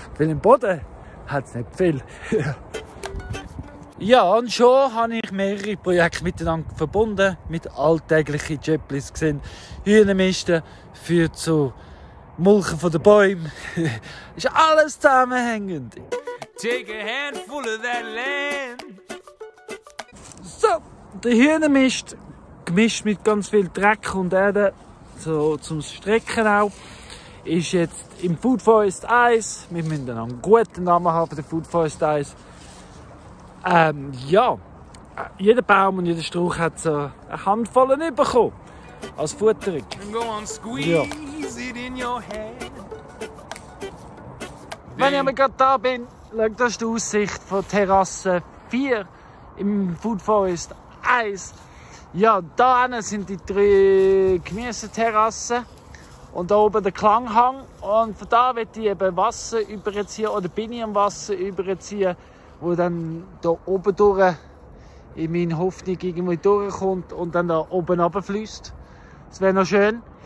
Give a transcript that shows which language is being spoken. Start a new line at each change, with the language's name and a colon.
German: Weil im Boden hat es nicht viel. Ja, und schon habe ich mehrere Projekte miteinander verbunden. Mit alltäglichen Jöpplis gesehen. Hirnmisten führt zu Mulchen von den Bäumen. Ist alles zusammenhängend.
English: Take a handful of that land.
German: So, der Hirnmist, gemischt mit ganz viel Dreck und Erde, so zum Strecken auch, ist jetzt im Food Forest 1. Wir müssen einen guten Namen haben, der Food Forest 1. Ja, jeder Baum und jeder Strauch hat so eine Handvoll bekommen. Als Futterung.
English: Go on, squeeze it in your hand.
German: Wenn ich gerade da bin, schaut euch die Aussicht von Terrasse 4 im Food Forest 1. Ja, da hinten sind die drei Gemüseterrassen. Und da oben der Klanghang. Und von da wird ich eben Wasser überziehen, oder bin ich am Wasser überziehen, wo dann da oben durch in meine Hoffnung irgendwie durchkommt und dann da oben runterfließt. Das wäre noch schön.